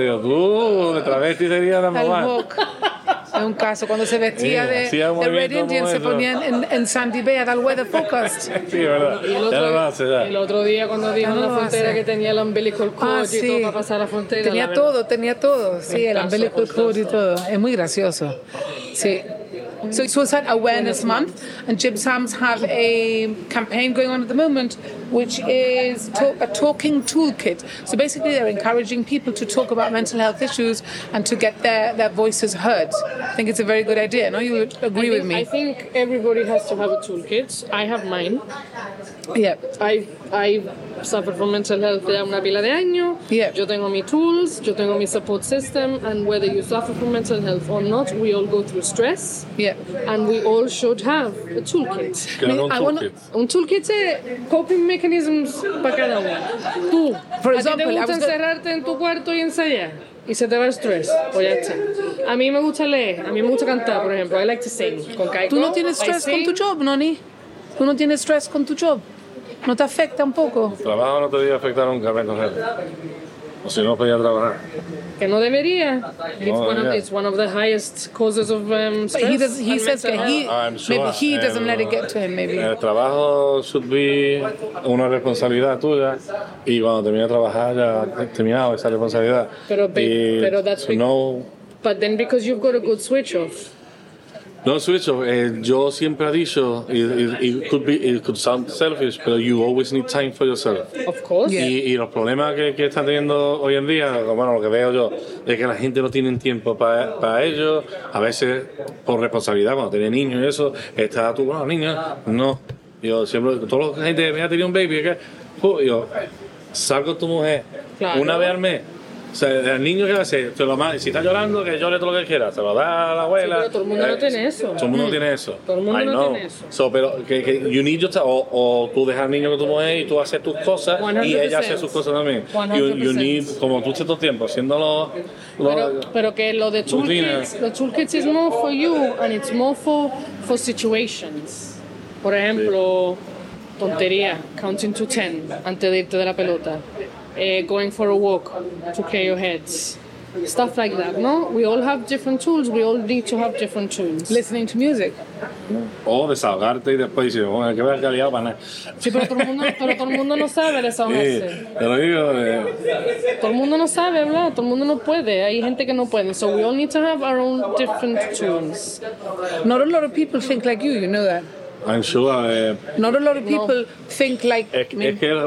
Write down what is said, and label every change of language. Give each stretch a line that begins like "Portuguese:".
Spanish: Yo, tú, de travesti sería la mamá. Es un caso, cuando se vestía de Red Indian, se ponía en Sandy Bay a dar weather forecast. Sí, verdad. El otro día, cuando dijo en la frontera que tenía el umbilical cord y todo para pasar la frontera. Tenía todo. Sí, el umbilical cord y todo. Es muy gracioso. Sí.
English: So it's Suicide Awareness Month, and Jim Sams have a campaign going on at the moment, which is a talking toolkit. So basically they're encouraging people to talk about mental health issues and to get their voices heard. I think it's a very good idea. No, you would agree with me. I think everybody has to have a toolkit. I have mine. Yeah. I suffer from mental health
Spanish: ya una pila de años.
English: Yeah.
Spanish: Yo tengo mis tools, yo tengo mi support system,
English: and whether you suffer from mental health or not, we all go through stress. Yeah. And we all should have a toolkit.
Spanish: Un toolkit es
English: coping mechanisms
Spanish: para cada uno. Tú, por ejemplo, ¿te gusta encerrarte en tu cuarto y ensayar? Y se te va el estrés, o ya está. A mí me gusta leer, a mí me gusta cantar, por ejemplo.
English: I like to sing con Kaiko.
Spanish: ¿Tú no tienes estrés con tu job, Noni? ¿Tú no tienes estrés con tu job? ¿No te afecta un poco? El trabajo no te debería afectar nunca, menos él. O si no, podía trabajar. Que no debería.
English: It's one of the highest causes of stress. But he doesn't let it get to him, maybe.
Spanish: El trabajo
English: should be
Spanish: una responsabilidad tuya. Y cuando termina de trabajar, ya he terminado esa responsabilidad. Pero
English: that's no. But then because you've got a good switch off. No switch off.
Spanish: Yo siempre he dicho,
English: it could sound selfish, but you always need time for yourself. Of course. Yeah.
Spanish: Y los problemas que están teniendo hoy en día, bueno, lo que veo yo, es que la gente no tiene tiempo para ellos. A veces por responsabilidad, cuando tiene niños y eso, está tú con los niños. No. Yo siempre, toda la gente me ha tenido un baby, que, yo salgo con tu mujer claro. Una vez al mes. O sea, el niño que hace, se lo manda, si está llorando, que llore todo lo que quiera, se lo da a la abuela. Sí, pero todo el mundo no tiene eso. Todo el mundo no tiene eso. Todo el mundo no tiene eso.
English: So,
Spanish: pero que
English: you need your time,
Spanish: o tú dejas al niño con tu mujer y tú haces tus cosas 100%. Y ella hace sus cosas también. 100%.
English: You need,
Spanish: como tú estás todo el tiempo, haciéndolo. Pero que lo de
English: toolkits is more for you and it's more for situations.
Spanish: Por ejemplo, sí. Tontería,
English: counting to 10
Spanish: antes de irte de la pelota.
English: Going for a walk to clear your heads, stuff like that. No, we all have different tools. We all need to have different tools. Listening to music.
Spanish: O desahogarte y después decir, bueno, qué verga liado para nada. Sí, pero todo el mundo no sabe desahogarse. Sí, te lo digo. Todo el mundo no sabe hablar, todo el mundo no puede. Hay gente que no puede.
English: So we all need to have our own different tools. Not a lot of people think like you. You know that. I'm sure. Not a lot of people think like me.